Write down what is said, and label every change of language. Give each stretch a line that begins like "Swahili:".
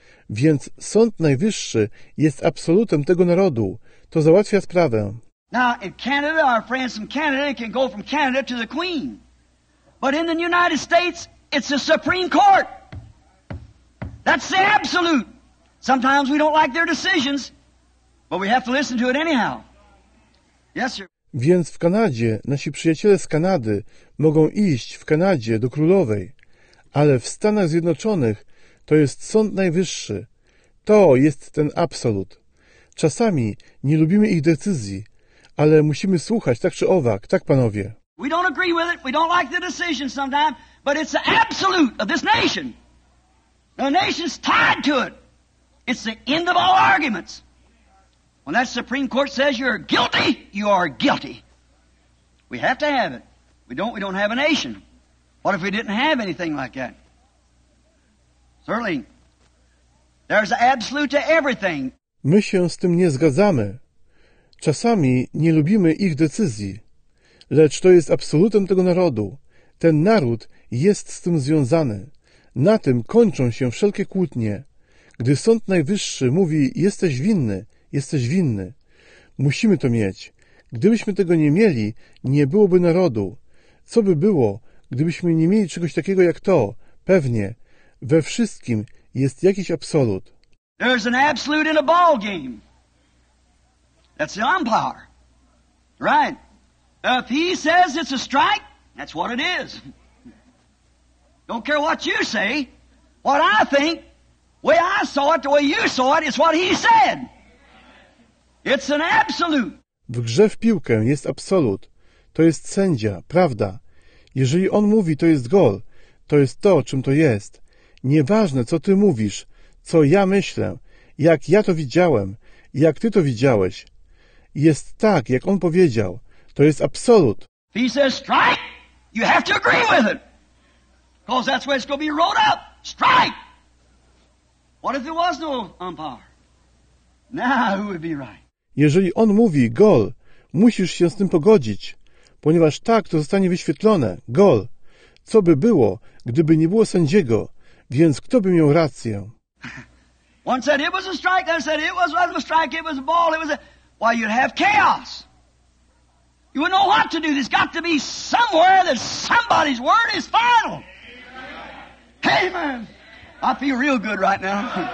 Polish: Więc Sąd Najwyższy jest absolutem tego narodu. To załatwia sprawę.
English: Now in Canada, our friends from Canada can go from Canada to the Queen. But in the United States, it's the Supreme Court. That's the absolute. Sometimes we don't like their decisions, but we have to listen to it anyhow. Yes, sir.
Polish: Więc w Kanadzie nasi przyjaciele z Kanady mogą iść w Kanadzie do królowej, ale w Stanach Zjednoczonych to jest Sąd Najwyższy. To jest ten absolut. Czasami nie lubimy ich decyzji, ale musimy słuchać tak czy owak, tak panowie.
English: We don't agree with it, we don't like the decision sometimes, but it's the absolute of this nation. The nation's tied to it. It's the end of all arguments. When that Supreme Court says you're guilty, you are guilty. We have to have it. We don't have a nation. What if we didn't have anything like that? Certainly, there's an absolute to everything.
Polish: My się z tym nie zgadzamy. Czasami nie lubimy ich decyzji. Lecz to jest absolutem tego narodu. Ten naród jest z tym związany. Na tym kończą się wszelkie kłótnie. Gdy Sąd Najwyższy mówi, jesteś winny, musimy to mieć. Gdybyśmy tego nie mieli, nie byłoby narodu. Co by było, gdybyśmy nie mieli czegoś takiego jak to? Pewnie. We wszystkim jest jakiś absolut.
English: There's an absolute in a ball game. That's the umpire. Right. If he says it's a strike, that's what it is. Don't care what you say. What I think, the way I saw it, the way you saw it, is what he said. It's an absolute.
Polish: W grze w piłkę jest absolut. To jest sędzia, prawda. Jeżeli on mówi, to jest gol. To jest to, czym to jest. Nieważne, co ty mówisz, co ja myślę, jak ja to widziałem, jak ty to widziałeś. Jest tak, jak on powiedział. To jest absolut.
English: If he says strike, you have to agree with it. Because that's where it's going to be wrote up. Strike! What if there was no umpire? Now who would be right?
Polish: Jeżeli on mówi gol, musisz się z tym pogodzić, ponieważ tak to zostanie wyświetlone, gol. Co by było, gdyby nie było sędziego, więc kto by miał rację?
English: One said it was a strike, I said it was a strike, it was a ball, it was a... Why, you'd have chaos. You wouldn't know what to do. There's got to be somewhere that somebody's word is final. Amen. I feel real good right now.